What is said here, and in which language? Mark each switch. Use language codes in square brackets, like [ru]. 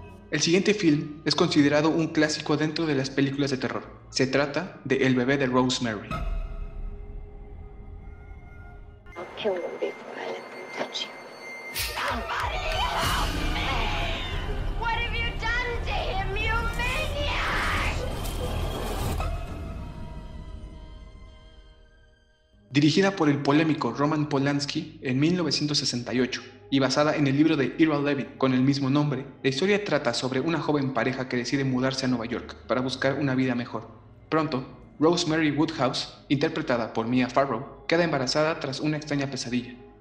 [es] El siguiente film es considerado un clásico dentro de las películas de terror. Se trata de El bebé de Rosemary. [en] I'll kill them before I let them touch you. Somebody help me! What have you done to him, you maniac? [es] Dirigida por el polémico Roman Polanski en 1968. Y basada en el libro de Ira Levin con el mismo nombre, la historia trata sobre una joven pareja que decide mudarse a Nueva York para buscar una vida mejor. Pronto, Rosemary Woodhouse, interpretada por Mia Farrow, queda embarazada tras una extraña pesadilla.